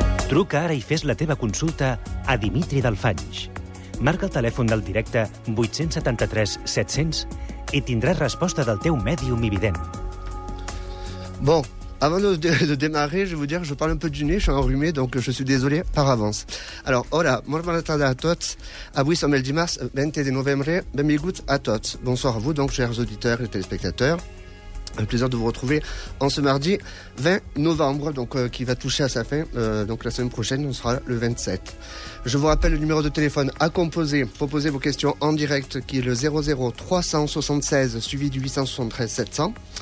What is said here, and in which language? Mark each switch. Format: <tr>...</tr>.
<ca>Truca ara i fes la teva consulta a Dimitri Dalfanys. Marca el telèfon del directe 873-700 i tindràs resposta del teu mèdium i vident.</ca> <fr>Bon, avant de démarrer, je vais vous dire que je parle un peu du nez, je suis enrhumé, donc je suis désolé par avance.</fr> <ca>Alors, hola, molt bona tarda a tots. Avui som el dimarts 20 de novembre, benvinguts a tots.</ca> <fr>Bonsoir à vous, donc, chers auditeurs et téléspectateurs. Un plaisir de vous retrouver en ce mardi 20 novembre, donc qui va toucher à sa fin. Donc la semaine prochaine, on sera le 27. Je vous rappelle le numéro de téléphone à composer pour poser vos questions en direct, qui est le 00 376 suivi du 873 700.</fr>